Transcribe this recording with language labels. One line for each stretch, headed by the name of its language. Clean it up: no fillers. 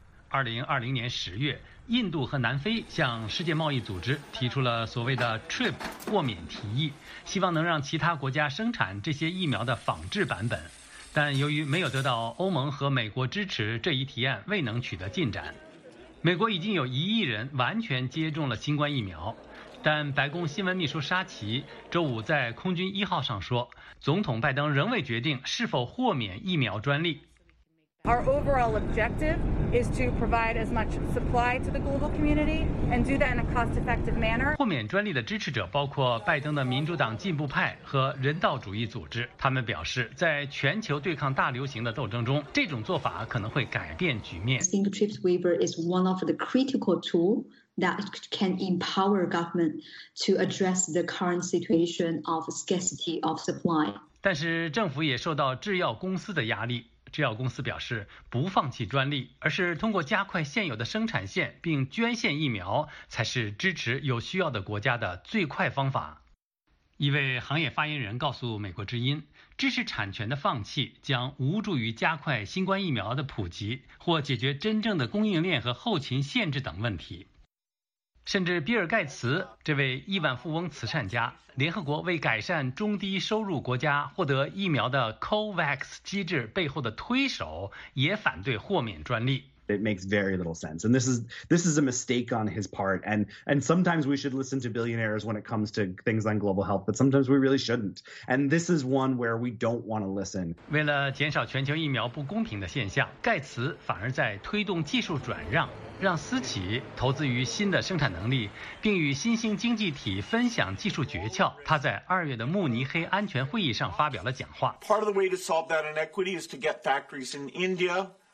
Chinese: 2020年10月，印度和南非向世界贸易组织提出了所谓的 TRIP 豁免提议，希望能让其他国家生产这些疫苗的仿制版本，但由于没有得到欧盟和美国支持，这一提案未能取得进展。美国已经有1亿人完全接种了新冠疫苗，但白宫新闻秘书沙奇周五在空军一号上说，总统拜登仍未决定是否豁免疫苗专利。
English: Our overall objective is to provide as much supply to the global community and do that in a cost-effective manner.
Chinese: 豁免专利的支持者包括拜登的民主党进步派和人道主义组织，他们表示，在全球对抗大流行的斗争中，这种做法可能会改变局面。
English: I think the TRIPS waiver is one of the critical tools that can empower government to address the current situation of scarcity of supply.
Chinese: 但是政府也受到制药公司的压力。制药公司表示不放弃专利，而是通过加快现有的生产线并捐献疫苗才是支持有需要的国家的最快方法。一位行业发言人告诉美国之音，知识产权的放弃将无助于加快新冠疫苗的普及或解决真正的供应链和后勤限制等问题。甚至比尔盖茨这位亿万富翁慈善家，联合国为改善中低收入国家获得疫苗的 COVAX 机制背后的推手，也反对豁免专利。
English: It makes very little sense, and this is a mistake on his part. And sometimes we should listen to billionaires when it comes to things on global health, but sometimes we really shouldn't. And this is one where we don't want to listen.
Chinese: 为了减少全球疫苗不公平的现象，盖茨反而在推动技术转让，让私企投资于新的生产能力，并与新兴经济体分享技术诀窍。他在2月的慕尼黑安全会议上发表了讲话。
English: Part of the way to solve that inequity is to get factories in India.